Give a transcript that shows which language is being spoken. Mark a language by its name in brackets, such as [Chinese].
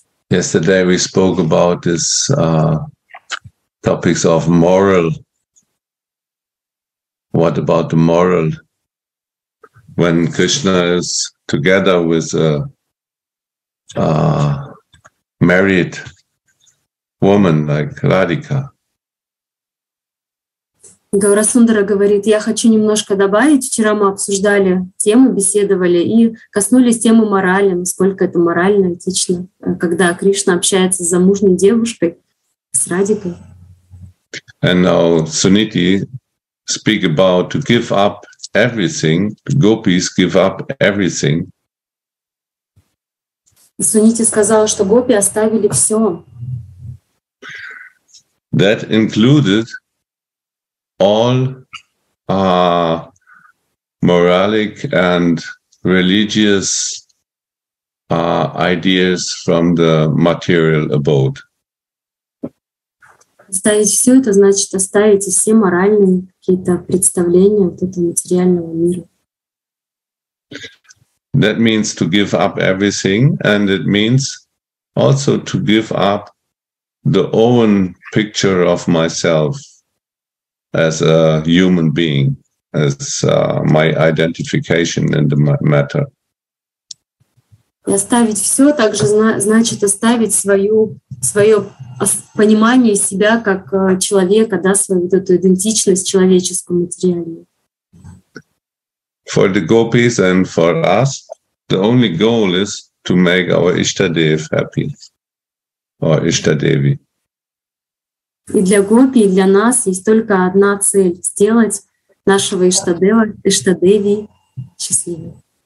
[English] Yesterday we spoke about this topics of moral. What about the moral? When Krishna is together with a married woman like Radhika. [Russian] Гаурасундара говорит, я хочу немножко добавить. Вчера мы обсуждали тему, беседовали и коснулись темы морали, насколько это морально, этично, когда Кришна общается с замужней девушкой, с Радикой. [English] And now Sunidhi speak about to give up everything, the gopis give up everything. [Russian] Sunidhi сказала, что гопи оставили все. [English] That included all moralic and religious ideas from the material abode. [Russian] Оставить все это значит оставить все моральные какие-то представления вот этого материального мира. [English] That means to give up everything, and it means also to give up the own picture of myself as a human being, as my identification in the matter. [Russian] И оставить все также значит оставить свое понимание себя как человека, да, свою вот эту идентичность человеческую материальную. [English] For the gopis and for us, the only goal is to make our Ishtadev happy, or Ishtadevi. [Russian] И для гопи, и для нас есть только одна цель — сделать нашего Иштадева, Иштадеви счастливым.